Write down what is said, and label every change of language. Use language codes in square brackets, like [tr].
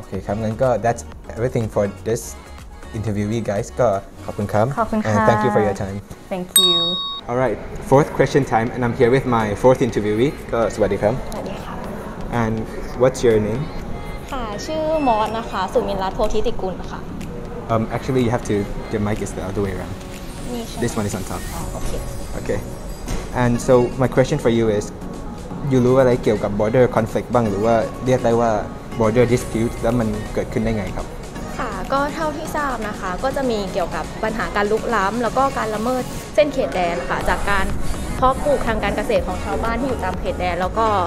[th] ก็โอเคครับงั้นก็ [en] that's everything for thisinterviewee guys [th] ก็ขอบคุณครับ ขอบคุณค่ะ [en] and thank you for your time thank you all right fourth question time and I'm here with my fourth interviewee [th] ก็สวัสดีครับ สวัสดีค่ ะ [en] and what's your name [th] ค่ะชื่อมอสนะคะสุมินรัตน์โพธิติกุลค่ะ [en] actually you have to the mic is the other way around this one is on top okay and so my question for you is you [th] รู้อะไรเกี่ยวกับ [en] border conflict [th] บ้างหรือว่าเรียกได้ว่า [en] border dispute [th] แล้วมันเกิดขึ้นได้ไงครับ ก็เท่าที่ทราบนะคะก็จะมีเกี่ยวกับปัญหาการลุกล้ำแล้วก็การละเมิดเส้นเขตแดนค่ะจากการเพาะปลูกทางการเกษตรของชาวบ้านที่อยู่ตามเขตแดนแล้วก็